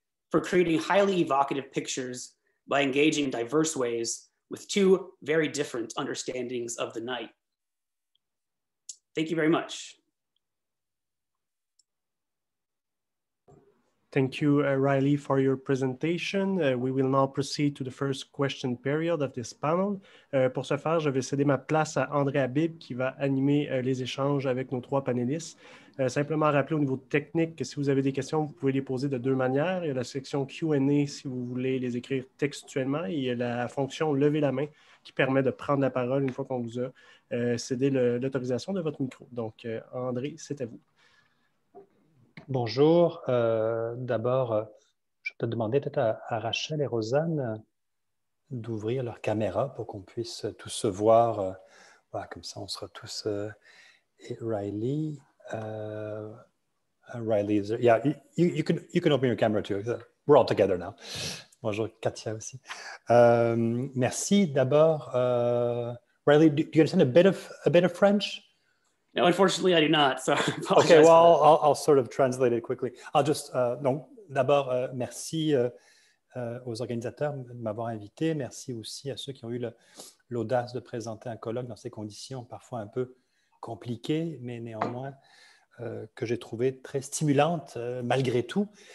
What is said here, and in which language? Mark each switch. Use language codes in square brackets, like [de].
[en] for creating highly evocative pictures by engaging diverse ways with two very different understandings of the night. Thank you very much. Thank you, Riley, for your presentation. We will now proceed to the first question period of this panel. [fr] Pour ce faire, je vais céder ma place à André Habib, qui va animer les échanges avec nos trois panélistes. Simplement rappeler au niveau technique que si vous avez des questions, vous pouvez les poser de deux manières. Il y a la section Q&A si vous voulez les écrire textuellement, et il y a la fonction « lever la main » qui permet de prendre la parole une fois qu'on vous a cédé l'autorisation de votre micro. Donc, André, c'est à vous. Bonjour. D'abord, je peux demander peut-être à Rachel et Rosanne d'ouvrir leur caméra pour qu'on puisse tous se voir. Voilà, comme ça, on sera tous... Et Riley... [en] Riley, is there, yeah, you can open your camera too. We're all together now. [fr] Bonjour, Katia aussi. Merci d'abord. [en] Riley, do you understand a bit of French? No, unfortunately, I do not. So, okay, well, I'll sort of translate it quickly. I'll just, [fr] donc, d'abord, merci aux organisateurs de m'avoir invité. Merci aussi à ceux qui ont eu l'audace de présenter un colloque dans ces conditions parfois un peu compliquées, mais néanmoins que j'ai trouvé très stimulante malgré tout.